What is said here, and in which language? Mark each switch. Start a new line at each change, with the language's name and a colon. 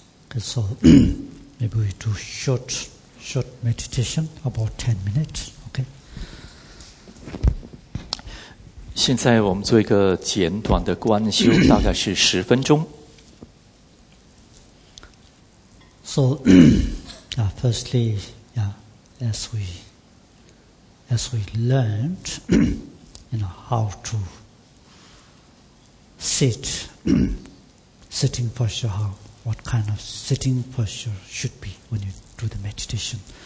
English: Okay, so maybe we do short meditation, about 10 minutes. Okay.
Chinese: 现在我们做一个简短的观修，大概是十分钟。
English: So, firstly, as we learned, you know, how to sit, sitting posture, what kind of sitting posture should be when you do the meditation.